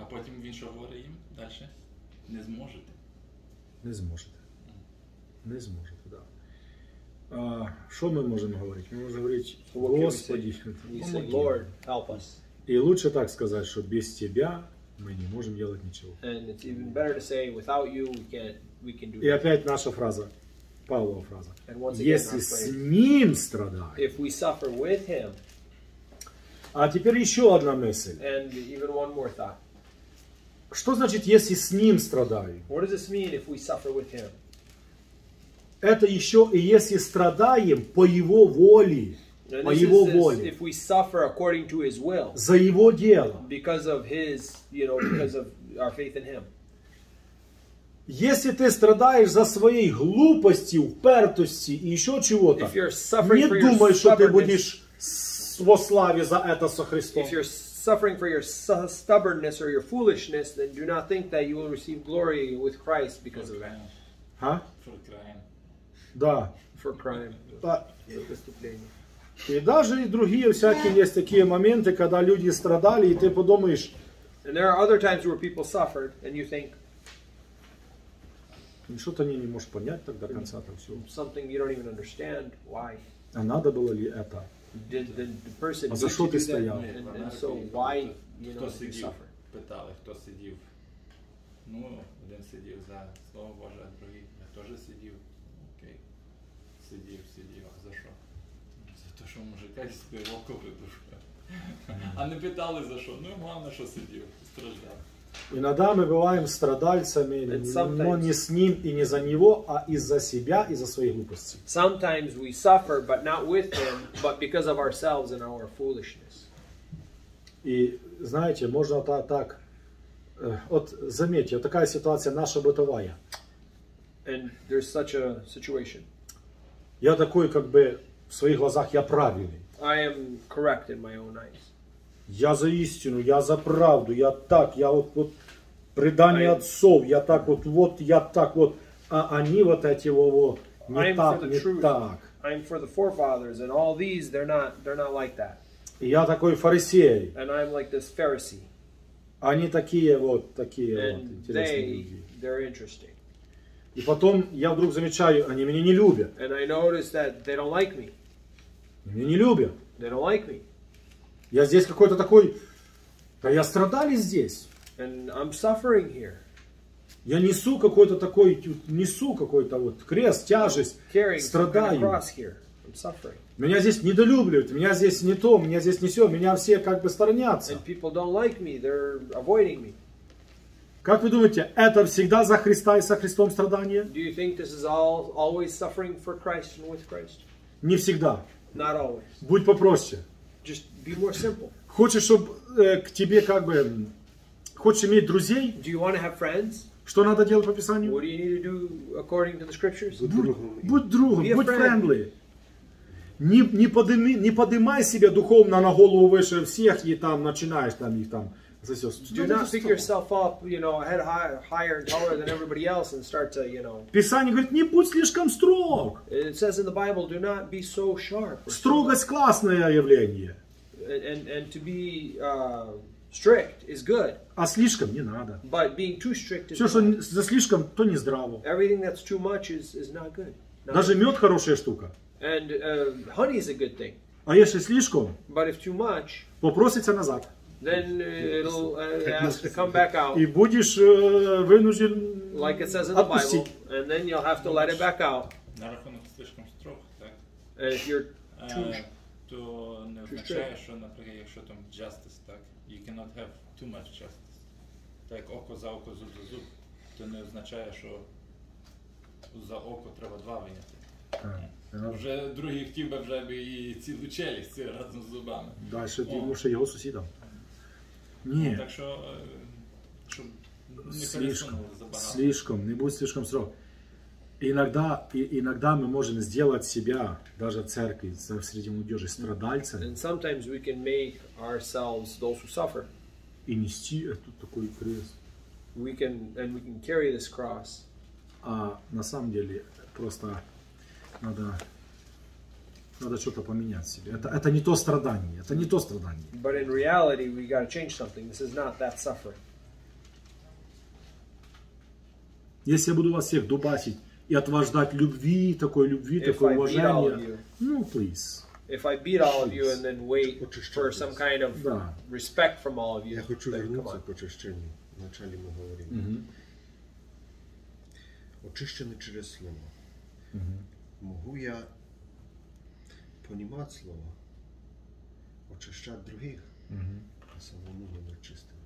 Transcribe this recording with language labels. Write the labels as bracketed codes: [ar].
[uk] А потім він що говорить їм далі? Не зможете. Не зможете. Не зможете, так. Да. Що ми можемо говорити? Ми можемо говорити, Господи, помоги. [en] Lord, help us. [uk] І лучше так сказати, що без Тебя ми не можемо робити нічого. [en] And it's even better to say, without you we can do it. [uk] І опять наша фраза, Павлова фраза. Якщо з Ним страдаємо, [en] if we suffer with Him. [ru] А теперь еще одна мысль. [en] And even one more thought. [ru] Что значит, если с ним страдаю? [en] What does this mean if we suffer with him? [ru] Это еще и если страдаем по его воле. По его воле. [en] If we suffer according to his will. [ru] За его дело. [en] Because of his, you know, because of our faith in him. [ru] Если ты страдаешь за своей глупости, упертости и еще чего-то, не думай, что ты будешь во славе за это со Христом. [en] If you're suffering for your stubbornness or your foolishness, then do not think that you will receive glory with Christ because of that. Ха? For crime. [ru] Да. [en] For crime. [ru] Да. И даже и другие всякие есть такие моменты, когда люди страдали, и ты подумаешь. [en] And there are other times where people suffered, and you think. [ru] Ну что-то не можешь понять так до конца там все. [en] Something you don't even understand why. [ru] А надо было ли это? [en] Did the person did and so why you know did you suffer? [uk] Питали, хто сидів? Ну, один сидів за Слово Боже, а другий я теж сидів. Окей. Сидів. А за що? За те, що мужика зі співоку видушка. А не питали за що? Ну, головне, що сидів, страждав. Іноді ми буваємо страдальцями, але не з ним і не за нього, а із-за себе і за свої глупості. [en] Sometimes we suffer, but not with him, but because of ourselves and our foolishness. [uk] І, знаєте, можна так, от замітьте, така ситуація наша битова. [en] And there's such a situation. [uk] Я такий, як би, в своїх глазах я правильний. [en] I am correct in my own eyes. [uk] Я за істину, я за правду, я так, я от предання отцов, я так от, вот, я так от, а вони от ці ово, не так, не так. [en] I'm for the forefathers, and all these, they're not like that. [uk] І я такий фарисей. [en] And I'm like this Pharisee. [uk] Вони такі от, інтересні люди. [en] And they're interesting. [uk] І потім я вдруг замечаю, вони мене не люблять. [en] And I notice that they don't like me. [uk] Мені не люблять. [en] They don't like me. [ru] Я здесь какой-то такой, да я страдали здесь. [en] And I'm suffering here. [ru] Я несу какой-то такой, несу какой-то вот крест, тяжесть, страдаю. [en] I'm suffering. [ru] Меня здесь недолюбливают, меня здесь не то, меня здесь не все, меня все как бы сторонятся. [en] And people don't like me, they're avoiding me. [ru] Как вы думаете, это всегда за Христа и со Христом страдание? [en] Do you think this is all, always suffering for Christ and with Christ? [ru] Не всегда. [en] Not always. [ru] Будь попроще. [en] Just be more simple. [ru] Хочешь, чтобы к тебе как бы... Хочешь иметь друзей? [en] Do you want to have friends? [ru] Что надо делать по Писанию? [en] What do you need to do according to the scriptures? [ru] Будь другом, будь friendly. Не поднимай себя духовно на голову выше всех и там начинаешь там их там... [en] Do not pick yourself up, you know, head higher and taller than everybody else and start to, you know... [ru] Писание говорит, не будь слишком строг. [en] It says in the Bible, do not be so sharp. [ru] Строгость классное явление. [en] And to be strict is good. [ru] А слишком не надо. [en] But being too strict is good. [ru] Все, что за слишком, то не здраво. [en] Everything that's too much is not good. [ru] Даже мед хорошая штука. [en] And honey is a good thing. [ru] А если слишком, [en] but if too much, [ru] попросится назад. [en] Then it'll ask to come back out. [ru] И будешь вынужден отпустить. [en] Like it says in the Bible. And then you'll have to let it back out. [uk] На рахунок слишком строг, так? [en] If you're too... [uk] То не означає, що, наприклад, якщо там justice, так? [en] You cannot have too much justice. [uk] Так, око за око, зуб за зуб. То не означає, що за око треба два виняти. Вже другий хотів би вже і цілу челюсть разом з зубами. Дальше ти муше його сусідом. Ні. Так що, щоб не слишком, слишком, не будь слишком строг. Іноді ми можемо зробити себе, навіть церкві, серед молоді, страдальцями. [en] And sometimes we can make ourselves those who suffer. [uk] І нести такий крест. [en] We can carry this cross. [ru] А на самом деле просто надо что-то поменять в себе. Это не то страдание. Это не то страдание. [en] But in reality, we got to change something. This is not that suffering. [ru] Если я буду вас всех дубасить и от вас ждать любви, такой любви, такого уважения. Ну, please. [en] If I beat all of you and then wait for some kind of respect from all of you. [ru] Я хочу вернуться к очищенню. Вначале мы говорим. Очищенный через слово. Могу я понимать слово, очищать других, а самому не быть чистым.